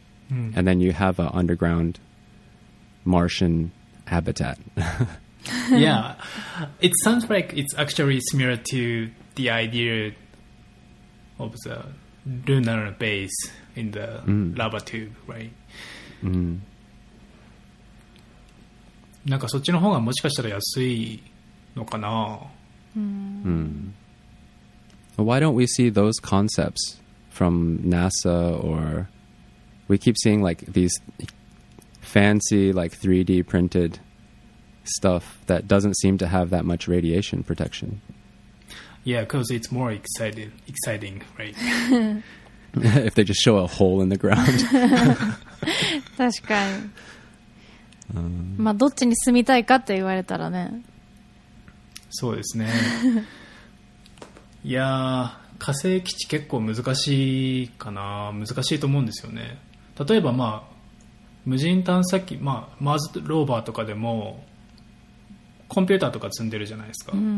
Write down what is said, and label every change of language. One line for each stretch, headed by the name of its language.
English: And then you have an underground Martian habitat. Yeah, it sounds like it's actually similar to the idea of the lunar base in the lava tube, right?
Japanese: なんかそっちの方がもしかしたら安いのかな。
English: Why don't we see those concepts from NASA, or we keep seeing like these fancy like 3D printed stuff that doesn't seem to have that much radiation protection. Yeah, because it's more exciting, right? If they just show a hole in the ground.
Japanese: 確かに。まあどっちに住みたいかって言われたらね。そうですね。いや、火星基地結構難しいかな。難しいと思うんですよね。例えばまあ無人探査機、まあマーズローバーとかでもコンピューターとか積んでるじゃないですか。